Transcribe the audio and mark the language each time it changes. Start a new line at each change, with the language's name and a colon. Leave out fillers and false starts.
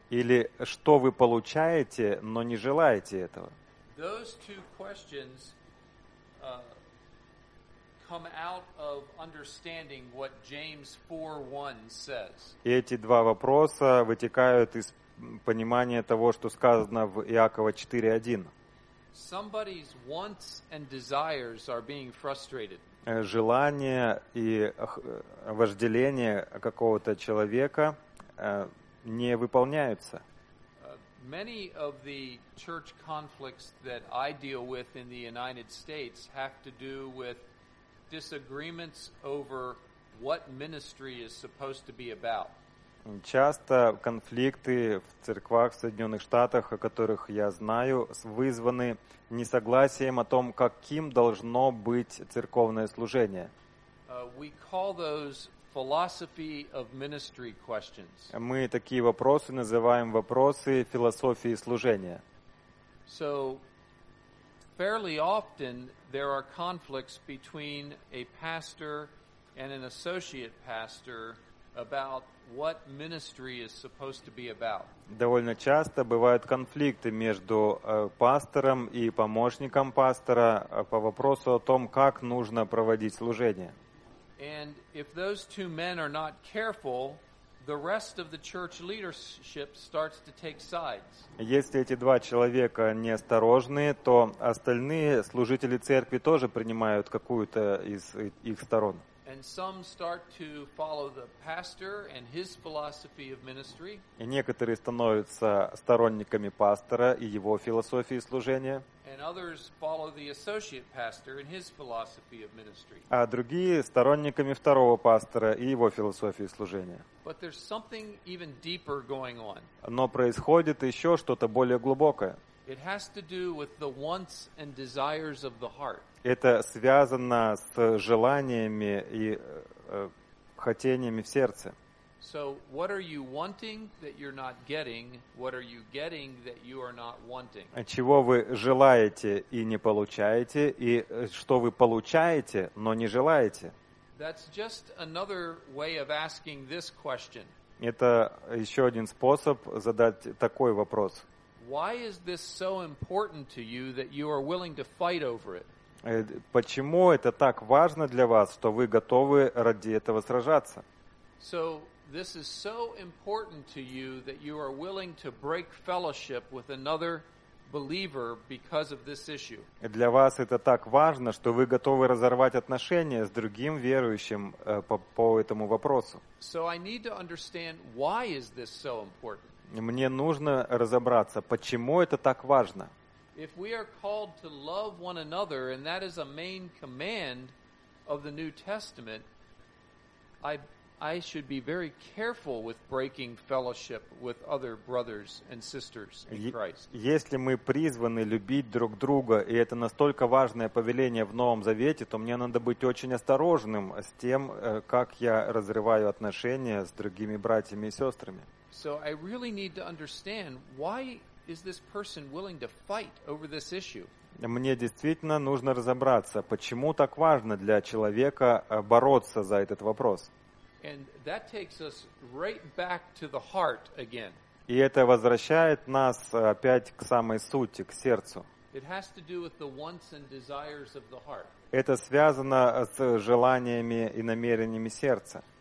Russian: Или что вы получаете, но не желаете этого?
English: Those two questions come out of understanding what James 4:1 says.
Russian: Эти два вопроса вытекают из понимания того, что сказано в Иакова 4:1.
English: Somebody's wants and desires are being frustrated.
Russian: Желания и вожделения какого-то человека не выполняются.
English: Many of the church conflicts that I deal with in the United States have to do with disagreements over what ministry is supposed to be about.
Russian: Часто конфликты в церквах в Соединенных Штатах, о которых я знаю, вызваны несогласием о том, каким должно быть церковное служение.
English: We call those philosophy of ministry questions.
Russian: Мы такие вопросы называем вопросы философии служения.
English: So, fairly often there are conflicts between a pastor and an associate pastor about what ministry is supposed to be about.
Russian: Довольно часто бывают конфликты между пастором и помощником пастора по вопросу о том, как нужно проводить служение.
English: And if those two men are not careful, the rest of the church leadership starts to take sides.
Russian: Если эти два человека неосторожны, то остальные служители церкви тоже принимают какую-то из их сторон.
English: And some start to follow the pastor and his philosophy of ministry.
Russian: И некоторые становятся сторонниками пастора и его философии служения.
English: And others follow the associate pastor and his philosophy of ministry.
Russian: А другие сторонниками второго пастора и его философии служения.
English: But there's something even deeper going on.
Russian: Но происходит еще что-то более глубокое.
English: It has to do with the wants and desires of the heart.
Russian: Это связано с желаниями и хотениями в сердце.
English: So what are you wanting that you're not getting? What are you getting that you are not wanting?
Russian: Чего вы желаете и не получаете, и что вы получаете, но не желаете?
English: That's just another way of asking this question.
Russian: Это еще один способ задать такой вопрос.
English: Why is this so important to you that you are willing to fight over it?
Russian: Почему это так важно для вас, что вы готовы ради этого сражаться?
English: So this is so important to you that you are willing to break fellowship with another believer because of this issue.
Russian: Для вас это так важно, что вы готовы разорвать отношения с другим верующим по этому вопросу.
English: So I need to understand why is this so important.
Russian: Мне нужно разобраться, почему это так важно.
English: If we are called to love one another, and that is a main command of the New Testament, I should be very careful with breaking fellowship with other brothers and sisters in Christ.
Russian: Если мы призваны любить друг друга, и это настолько важное повеление в Новом Завете, то мне надо быть очень осторожным с тем, как я разрываю отношения с другими братьями и сестрами.
English: So I really need to understand why is this person willing to fight over this issue?
Russian: Мне действительно нужно разобраться, почему так важно для человека бороться за этот вопрос.
English: And that takes us right back to the heart again.
Russian: И это возвращает нас опять к самой сути, к сердцу.
English: It has to do with the wants and desires of the heart.
Russian: Это связано с желаниями и намерениями сердца.